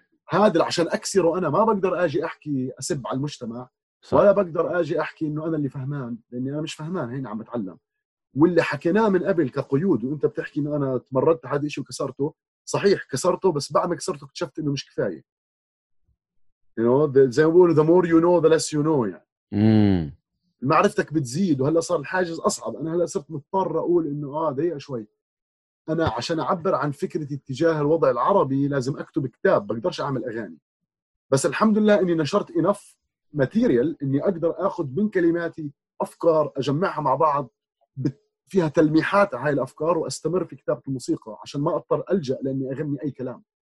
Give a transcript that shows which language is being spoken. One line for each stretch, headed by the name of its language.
Arabic: فهذا عشان أكسره أنا ما بقدر أجي أحكي أسب على المجتمع صح. ولا بقدر أجي أحكي إنه أنا اللي فهمان لأني أنا مش فهمان, هين عم أتعلم. واللي حكيناه من قبل كقيود وأنت بتحكي إنه أنا تمردت هذا الشيء وكسرته, صحيح كسرته بس بعد ما كسرته اكتشفت إنه مش كفاية.
English: You know
Arabic: زي ما بقولوا
English: the more you know the less you know
Arabic: يعني. معرفتك بتزيد وهلا صار الحاجز أصعب. أنا هلا صرت مضطر أقول إنه ضيق شوي. أنا عشان أعبر عن فكرة اتجاه الوضع العربي لازم أكتب كتاب, بقدرش أعمل أغاني. بس الحمد لله أني نشرت إنف ماتيريال أني أقدر أخذ من كلماتي أفكار أجمعها مع بعض فيها تلميحات هاي الأفكار وأستمر في كتابة الموسيقى عشان ما أضطر ألجأ لأني أغني أي كلام.